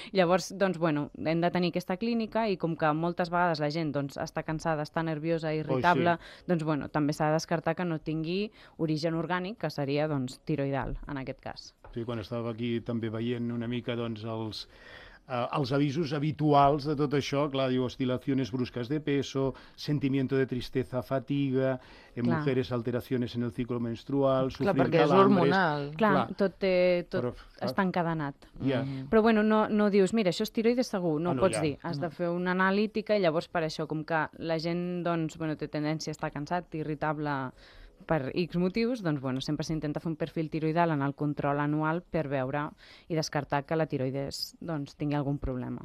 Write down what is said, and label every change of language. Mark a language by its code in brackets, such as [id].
[ca] Llavors, doncs, bueno, hem de tenir aquesta clínica i com que moltes vegades la gent doncs, està cansada, està nerviosa, irritable, doncs, bueno, també s'ha de descartar que no tingui origen orgànic, que seria, doncs, tiroidal, en aquest cas. Sí, quan estava aquí també veient una mica, doncs, els avisos habituals de tot això, clar, diu, [es] oscilaciones bruscas de peso, sentimiento de tristeza, fatiga, en [ca] clar. [es] Mujeres alteraciones en el ciclo menstrual, sufrir calambres... [ca] Clar, perquè [es] calambres, [ca] és hormonal. Clar, tot però, està encadenat. Yeah. Però, bueno, no dius, mira, això és tiroides segur, no pots dir. Has de fer una analítica i llavors per això, com que la gent, doncs, bueno, té tendència a estar cansat, irritable... per X motius, doncs, bueno, sempre s'intenta fer un perfil tiroidal en el control anual per veure i descartar que la tiroides doncs, tingui algun problema.